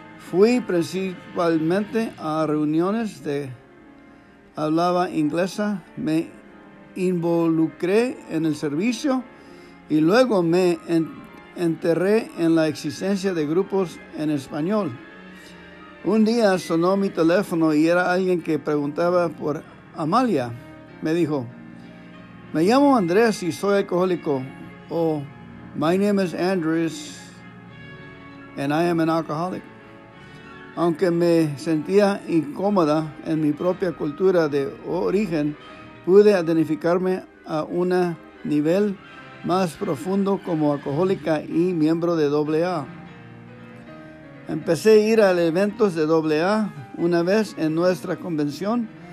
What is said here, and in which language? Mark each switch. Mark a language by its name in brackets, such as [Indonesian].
[Spanish] Fui principalmente a reuniones de hablaba inglesa, me involucré en el servicio y luego me enterré en la existencia de grupos en español. Un día sonó mi teléfono y era alguien que preguntaba por Amalia. Me dijo, me llamo Andrés y soy alcohólico. [English] O, my name is Andrés and I am an alcoholic. [Spanish] Aunque me sentía incómoda en mi propia cultura de origen, pude identificarme a un nivel más profundo como alcohólica y miembro de AA. Empecé a ir a eventos de AA una vez en nuestra convención.